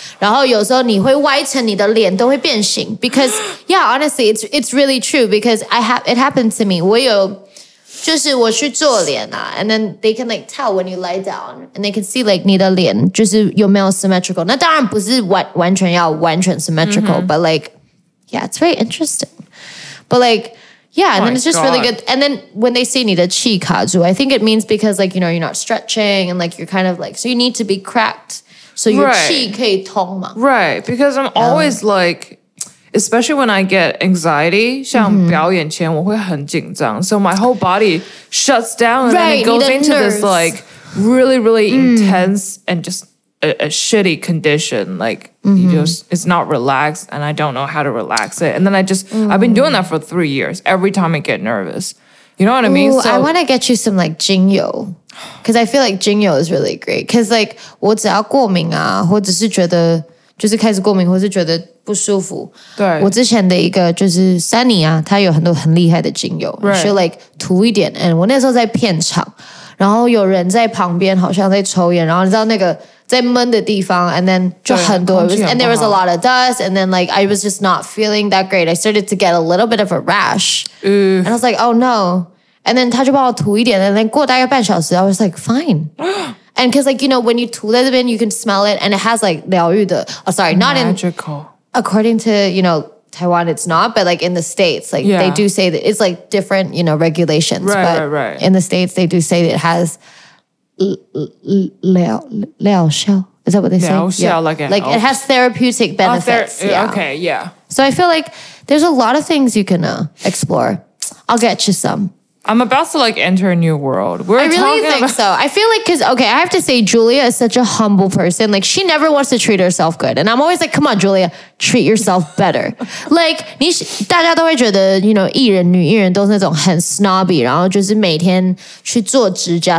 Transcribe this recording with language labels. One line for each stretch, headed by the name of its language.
Chinese: 他说我超驼背对或者是像我很喜欢翘脚那当你翘脚的时候你的脊椎就会歪然后有时候你会歪成你的脸都会变形
English: because yeah honestly it's really true because it happened to me
Chinese: 我有 就是我去做脸啊
English: And then they can like tell when you lie down And they can see like
Chinese: 你的脸 就是有没有
English: symmetrical
Chinese: 那当然不是完全要完全
English: symmetrical mm-hmm. But like Yeah, it's very interesting But like Yeah, oh and then it's just God. Really good And then when they say
Chinese: 你的气卡住
English: I think it means because like You know, you're not stretching And like you're kind of like So you need to be cracked So your right.
Chinese: 气可以通嘛
English: Right, because I'm always like Especially when I get anxiety,
Chinese: 像表演前我会很紧张,
English: mm-hmm. so my whole body shuts down and right, then it goes into nerves. This like really, really intense and just a shitty condition. Like mm-hmm. you just it's not relaxed and I don't know how to relax it. And then I just, mm-hmm. I've been doing that for 3 years every time I get nervous. You know what Ooh, I mean? So I want to get you some like Jingyo. Because I feel like Jingyo is really great. Because like
Chinese: 我只要过敏啊,或者是觉得 就是开始过敏或是觉得不舒服对我之前的一个就是 Sunny啊 他有很多很厉害的精油
English: right
Chinese: 就like涂一点 and 我那时候在片场 然后有人在旁边好像在抽烟 然后你知道那个在闷的地方
English: and then
Chinese: 就很多
English: was, and there was a lot of dust and then like I was just not feeling that great I started to get a little bit of a rash and I was like oh no and then
Chinese: 他就帮我涂一点
English: and then
Chinese: 过大概半小时
English: I was like fine And because like, you know, when you
Chinese: 涂在这边,
English: you can smell it and it has like
Chinese: 疗愈的,
English: oh, sorry, not Magical. In, according to, you know, Taiwan it's not, but like in the States, like they do say that it's like different, you know, regulations. Right, but right. In the States, they do say that it has liao xiao. Is that what they say? Like it has therapeutic benefits. Okay, yeah. So I feel like there's a lot of things you can explore. I'll get you some. I'm about to like enter a new world. We're I really think so. I feel like I have to say Julia is such a humble person. Like she never wants to treat herself good. And I'm always like, come on, Julia, treat yourself better. Like,
Chinese: 大家都会觉得,
English: you know,
Chinese: 艺人女艺人都是那种很 snobby, 然后就是每天去做指甲.